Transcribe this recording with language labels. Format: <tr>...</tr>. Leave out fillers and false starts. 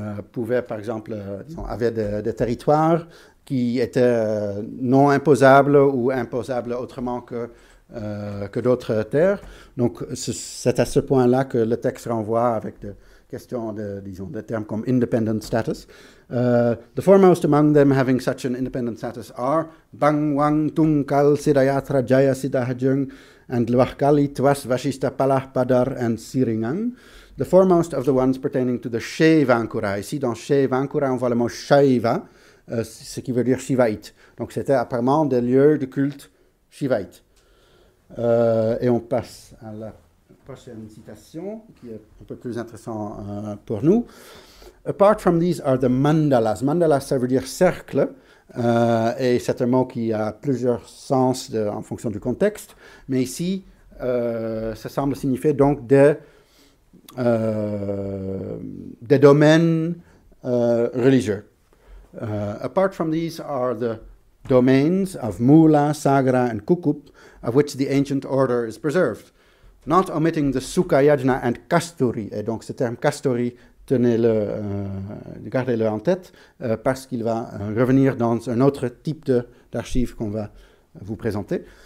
<fr>Pouvaient, par exemple, avaient des territoires qui étaient non imposables ou imposables autrement que d'autres terres. Donc, c'est à ce point-là que le texte renvoie avec des questions, disons, des termes comme «</fr> <en>independent status ». The foremost among them having such an independent status are Bang Wang Tungkal Sirayatra Jaya Siddhajung and Lwakali Twas Vashista Palah Padar and Siringang. The foremost of the ones pertaining to the Shaivankura.</en> <fr>Ici, dans Shaivankura, on voit le mot Shaiva, ce qui veut dire Shivaite. Donc, c'était apparemment des lieux de culte Shivaite. Et on passe à la prochaine citation, qui est un peu plus intéressante pour nous.</fr> <en>Apart from these are the mandalas.</en> <fr>Mandalas, ça veut dire cercle. Et c'est un mot qui a plusieurs sens en fonction du contexte. Mais ici, ça semble signifier donc des domaines religieux.</fr> <en>Apart from these are the domains of Mula, Sagra and Kukup, of which the ancient order is preserved, not omitting the Sukha Yajna and Kasturi.</en> <fr>Et donc ce terme Kasturi, gardez-le en tête, parce qu'il va revenir dans un autre type d'archives qu'on va vous présenter.</fr>